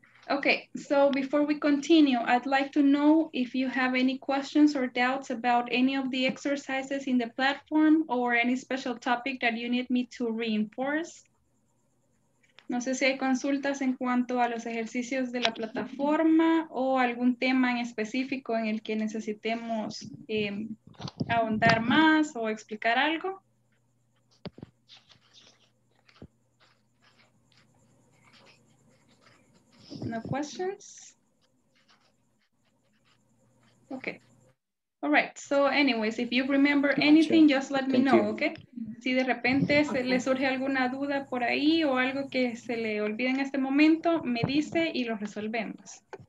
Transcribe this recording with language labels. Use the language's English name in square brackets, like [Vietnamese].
[English] Okay, so before we continue, I'd like to know if you have any questions or doubts about any of the exercises in the platform or any special topic that you need me to reinforce. [Spanish] No sé si hay consultas en cuanto a los ejercicios de la plataforma o algún tema en específico en el que necesitemos ahondar más o explicar algo. [English] No questions? Okay. All right. So anyways, if you remember anything, just let me know, okay? [Spanish] si de repente se le surge alguna duda por ahí o algo que se le olvida en este momento, me dice y lo resolvemos.